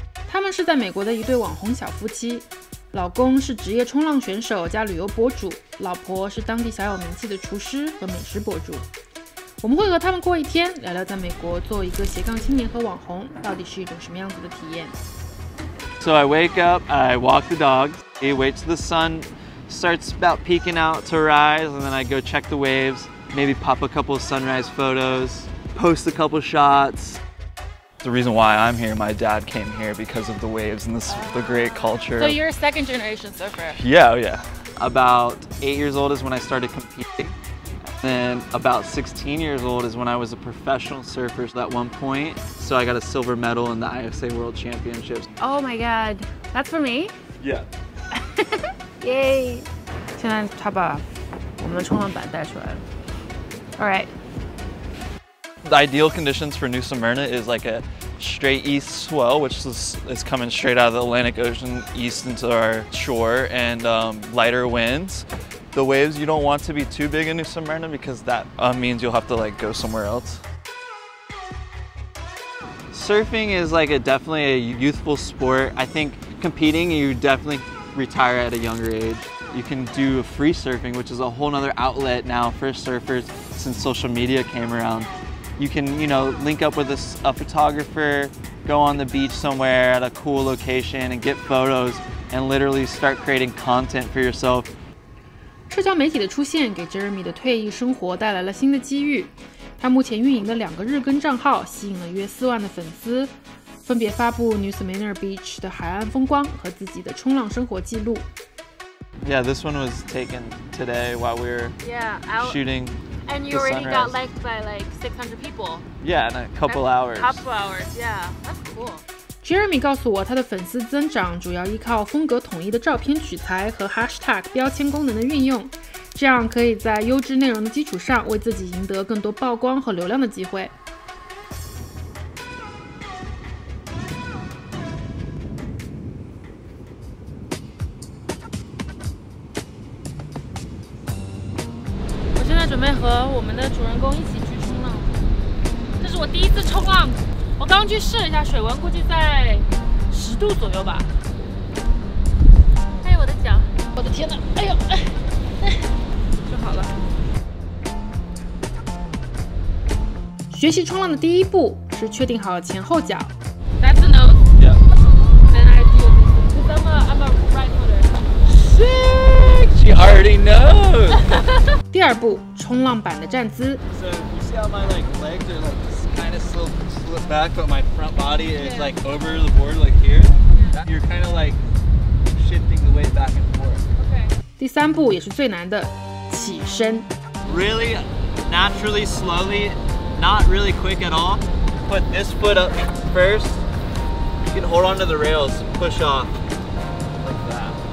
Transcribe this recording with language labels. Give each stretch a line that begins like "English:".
Chinese: 他们是在美国的一对网红小夫妻，老公是职业冲浪选手加旅游博主，老婆是当地小有名气的厨师和美食博主。我们会和他们过一天，聊聊在美国做一个斜杠青年和网红到底是一种什么样子的体验。
English: So I wake up, I walk the dog, he waits the sunstarts about peeking out to rise, and then I go check the waves, maybe pop a couple of sunrise photos, post a couple of shots. The reason why I'm here, my dad came here because of the waves and this, the great culture. So you're a second generation surfer? Yeah, yeah. About 8 years old is when I started competing. Then about 16 years old is when I was a professional surfer at one point. So I got a silver medal in the ISA World Championships. Oh my god, that's for me? Yeah. Yay!
Chinese: 现在他把我们的冲浪板带出来了。
English: All right. The ideal conditions for New Smyrna is like a straight east swell, which is coming straight out of the Atlantic Ocean east into our shore, and lighter winds. The waves, you don't want to be too big in New Smyrna because that means you'll have to like go somewhere else. Surfing is like definitely a youthful sport. I think competing, you definitely. Retire at a younger age. You can do free surfing, which is a whole other outlet now for surfers since social media came around. You can, you know, link up with a photographer, go on the beach somewhere at a cool location and get photos and literally start creating content for yourself.
Chinese: 社交媒体的出现给 Jeremy 的退役生活带来了新的机遇。他目前运营的2个日更账号吸引了约40,000的粉丝。分别发布 New Smyrna Beach 的海岸风光和自己的冲浪生活记录。
English: Yeah, this one was taken today while we were shooting. And you already got liked by like 600 people. Yeah, in a couple hours. Couple hours, yeah, that's cool.
Chinese: Jeremy 告诉我，他的粉丝增长主要依靠风格统一的照片取材和 hashtag 标签功能的运用，这样可以在优质内容的基础上为自己赢得更多曝光和流量的机会。准备和我们的主人公一起去冲浪，这是我第一次冲浪，我刚去试了一下水温，估计在10度左右吧。哎，我的脚，我的天哪，哎呦，就好了。学习冲浪的第一步是确定好前后脚。
English: That's a no. Yeah. Then I do this because I'm a right-hander. Sick. She already knows.
Chinese: 第二步。冲浪板的站姿。
English: So you see how my like legs are like just kind of slip back, but my front body is like over the board like here. You're kind of like shifting the weight back and forth. Okay.
Chinese: 第三步也是最难的，起身。
English: Really naturally, slowly, not really quick at all. Put this foot up first. You can hold onto the rails, push off like that.